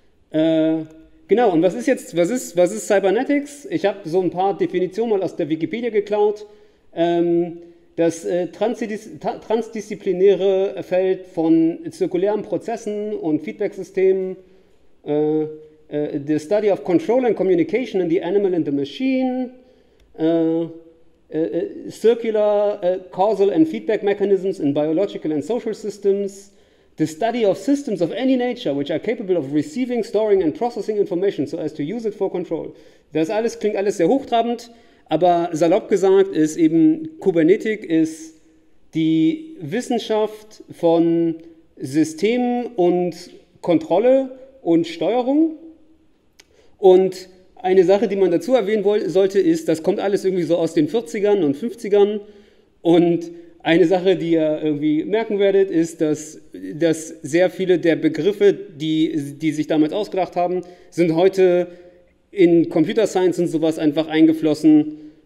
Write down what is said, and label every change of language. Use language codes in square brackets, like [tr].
[de] Genau, und was ist Cybernetics? Ich habe so ein paar Definitionen mal aus der Wikipedia geklaut. Das transdisziplinäre Feld von zirkulären Prozessen und Feedbacksystemen. [en] The study of control and communication in the animal and the machine. Circular causal and feedback mechanisms in biological and social systems. The study of systems of any nature, which are capable of receiving, storing and processing information, so as to use it for control. [de] Das alles klingt alles sehr hochtrabend, aber salopp gesagt ist eben Kubernetik ist die Wissenschaft von Systemen und Kontrolle und Steuerung. Und eine Sache, die man dazu erwähnen sollte, ist, das kommt alles irgendwie so aus den 40ern und 50ern und eine Sache, die ihr irgendwie merken werdet, ist, dass sehr viele der Begriffe, die sich damals ausgedacht haben, sind heute in Computer Science und sowas einfach eingeflossen.